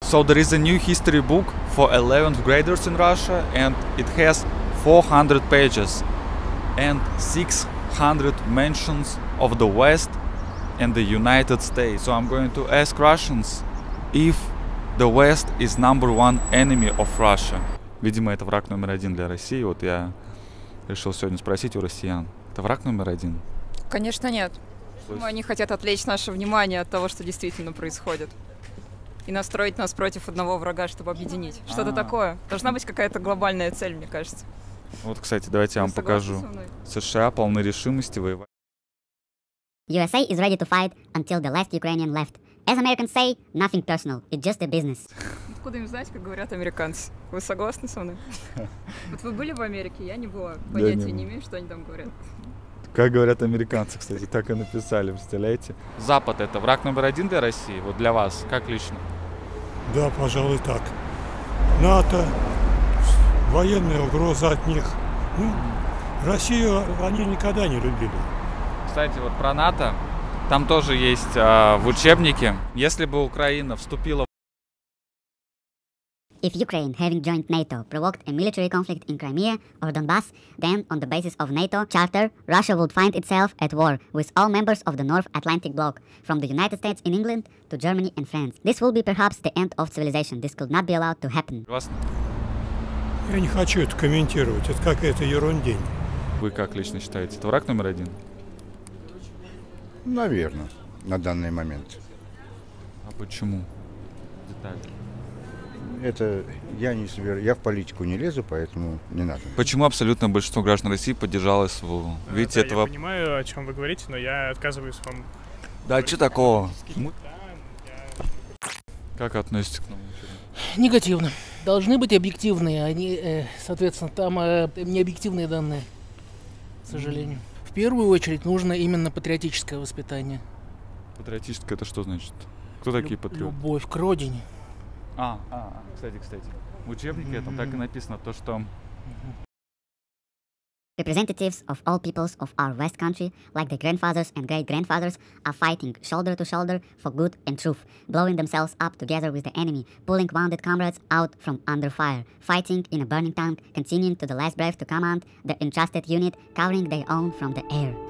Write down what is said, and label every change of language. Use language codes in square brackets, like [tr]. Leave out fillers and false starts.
[en] So there is a new history book for 11th graders in Russia, and it has 400 pages and 600 mentions of the West and the United States. So I'm going to ask Russians if the West is number one enemy of Russia. [ru] Видимо, это враг номер один для России. Вот я решил сегодня спросить у россиян. Это враг номер один? Конечно, нет. Думаю, они хотят отвлечь наше внимание от того, что действительно происходит. И настроить нас против одного врага, чтобы объединить. Что-то такое. Должна быть какая-то глобальная цель, мне кажется. Вот, кстати, давайте я вам покажу. США полны решимости воевать. [en] USA is ready to fight until the last Ukrainian left. As Americans say, nothing personal, it's just a business. [ru] Откуда им знать, как говорят американцы? Вы согласны со мной? Вот вы были в Америке, я не была. Понятия не имею, что они там говорят. Как говорят американцы, кстати, так и написали, представляете? Запад — это враг номер один для России? Вот для вас, как лично? Да, пожалуй, так. НАТО, военная угроза от них. Россию они никогда не любили. Кстати, вот про НАТО, там тоже есть в учебнике. Если бы Украина вступила в... [en] If Ukraine, having joined NATO, provoked a military conflict in Crimea or Donbass, then, on the basis of NATO charter, Russia would find itself at war with all members of the North Atlantic bloc, from the United States in England to Germany and France. This will be perhaps the end of civilization. This could not be allowed to happen. [ru] Я не хочу это комментировать, это какая-то ерундень. Вы как лично считаете, это враг номер один? Наверное, на данный момент. А почему? Детали. Это я не собираюсь, я в политику не лезу, поэтому не надо. Почему абсолютно большинство граждан России поддержало СВО? Ведь да, этого... Я понимаю, о чем вы говорите, но я отказываюсь вам... Да, что такого? Как относитесь к нам? Негативно. Должны быть объективные, они, соответственно, там необъективные данные, к сожалению. В первую очередь нужно именно патриотическое воспитание. Патриотическое — это что значит? Кто такие патриоты? Любовь к родине. Кстати. В учебнике там так и написано, то что... [en] Representatives of all peoples of our West country, like the grandfathers and great-grandfathers, are fighting shoulder to shoulder for good and truth, blowing themselves up together with the enemy, pulling wounded comrades out from under fire, fighting in a burning town, continuing to the last breath to command the entrusted unit, covering their own from the air.